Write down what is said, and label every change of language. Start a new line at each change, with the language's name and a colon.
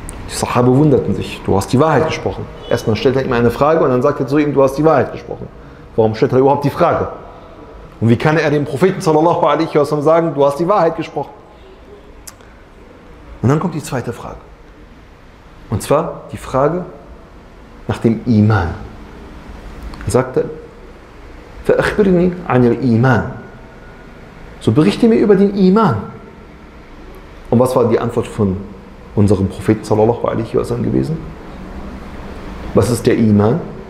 German: Die Sahaba wunderten sich, du hast die Wahrheit gesprochen. Erstmal stellt er ihm eine Frage und dann sagt er zu ihm, du hast die Wahrheit gesprochen. Warum stellt er überhaupt die Frage? Und wie kann er dem Propheten sallallahu alaihi wasallam sagen, du hast die Wahrheit gesprochen? Und dann kommt die zweite Frage. Und zwar die Frage nach dem Iman. Er sagte,
Arabic: فَأَخْبِرْنِي عَنِ الْإِيمَانِ.
German: So berichte mir über den Iman. Und was war die Antwort von unserem Propheten sallallahu alaihi wasallam gewesen? Was ist der Iman?